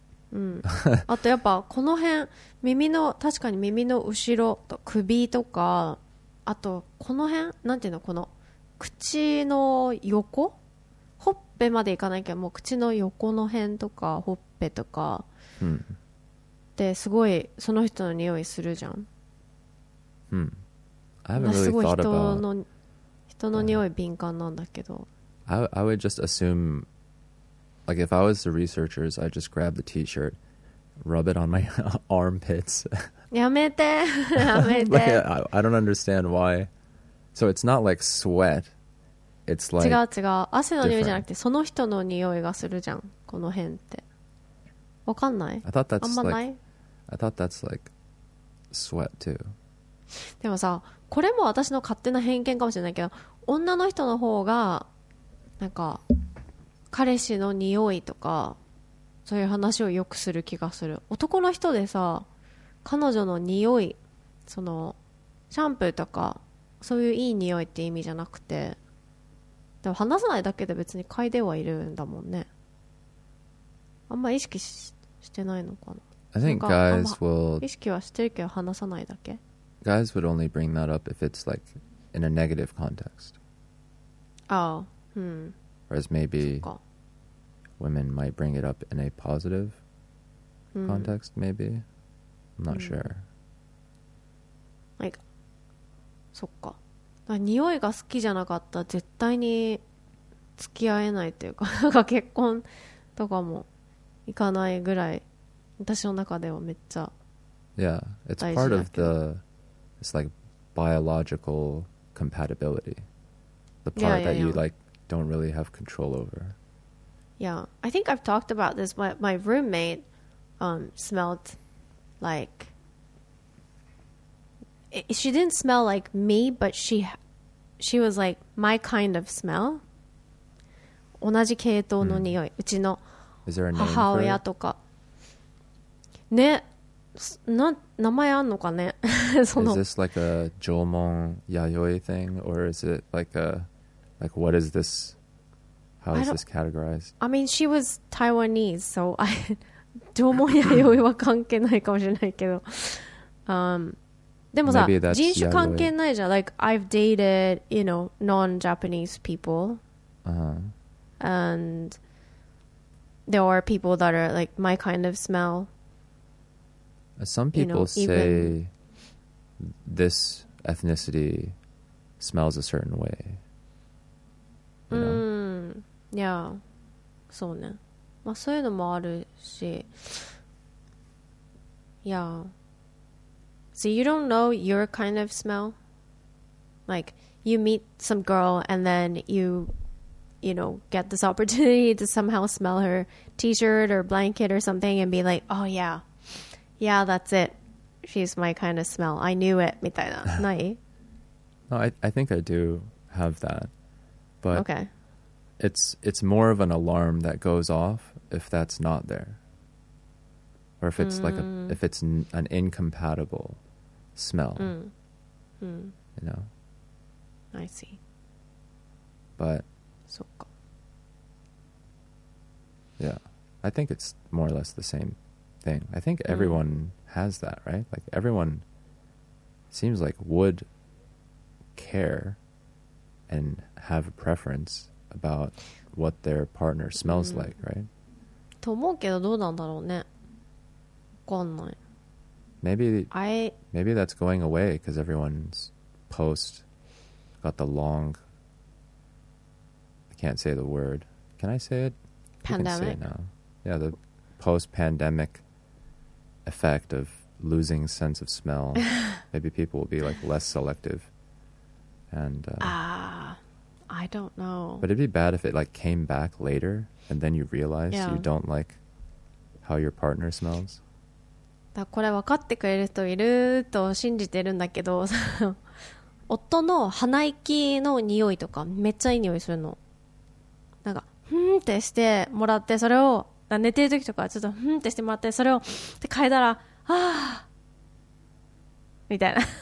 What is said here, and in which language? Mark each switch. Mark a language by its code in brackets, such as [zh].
[ja] うん、あとやっぱこの辺耳の、確かに耳の後ろと首とか、あとこの辺なんていうの、この口の横、ほっぺまでいかないけど、もう口の横の辺とかほっぺとか、うん、で、すごいその人の匂いするじゃん、 [en] うん、I haven't really thought about、 [ja] すごい人の匂い敏感なんだけど、 [en] I would just assumeLike, if I was the researchers, I'd just grab the t-shirt, rub it on my armpits. [ja] やめて、やめて。 [en] Like, I don't understand why. So it's not like sweat. It's like [ja] 違う違う。汗の匂いじゃなくて、その人の匂いがするじゃん、この辺って。わかんない？ [en] I thought that's [ja] あんまない？ [en] Like, I thought that's like sweat too. [ja] でもさ、これも私の勝手な偏見かもしれないけど、女の人の方が、なんか、彼氏の匂いとかそういう話をよくする気がする。男の人でさ、彼女の匂い、そのシャンプーとかそういういい匂いって意味じゃなくて、でも話さないだけで別に嗅いではいるんだもんね。あんま意識 してないのかな。 [en] I think guys will [ja] 意識はしてるけど話さないだけ。 [en] Guys would only bring that up if it's like in a negative context. Oh, hmm. Whereas maybe women might bring it up in a positive context, maybe. I'm not sure. [ja] Like, そっか。だから匂いが好きじゃなかったら絶対に付き合えないっていうか、なんか結婚とかもいかないぐらい、私の中ではめっちゃ大事だけど。 [en] Yeah, it's part of the, it's like biological compatibility. The part that you like,don't really have control over. Yeah, I think I've talked about this, but my roommate smelled like, she didn't smell like me, but she was like my kind of smell. [ja] 同じ系統の匂い、うちの母親とかね、な、名前あんのかね。 [en] その、 Is this like a Jomon Yayoi thing, or is it like a, like what is this How is this categorized? I mean, she was Taiwanese, so I [ja] どうも弥生は関係ないかもしれないけど。でもさ、人種関係ないじゃん。 [en] Like, I've dated, you know, non-Japanese people. Uh-huh. And there are people that are like my kind of smell. Some people, you know, say this ethnicity smells a certain way. [ja] Yeah. そうね。まあそういうのもあるし。 [en] Yeah. So you don't know your kind of smell? Like, you meet some girl and then you know, get this opportunity to somehow smell her t-shirt or blanket or something and be like, oh yeah, yeah, that's it. She's my kind of smell. I knew it. [ja] みたいな。ない? [en] No, I think I do have that. But okay. It's more of an alarm that goes off if that's not there. Or if it's like a, if it's an incompatible smell. You know? I see. But [ja] そっか。 [en] Yeah. I think it's more or less the same thing. I think everyone has that, right? Like, everyone seems like would care and have a preference about what their partner smells like, right? [ja] と思うけどどうなんだろうね。わかんない。 [en] Maybe that's going away because everyone's post got the long... can't say the word. Can I say it? Pandemic. You can say it now. Yeah, the post-pandemic effect of losing sense of smell. Maybe people will be like less selective. And I don't know. But it'd be bad if it like came back later and then you realize you don't like how your partner smells. [ja] これ分かってくれる人いると信じてるんだけど、夫の鼻息の匂いとかめっちゃいい匂いするの。なんかふんってしてもらって、それを寝てる時とかちょっとふんってしてもらって、それをって嗅いだら、あみたいな。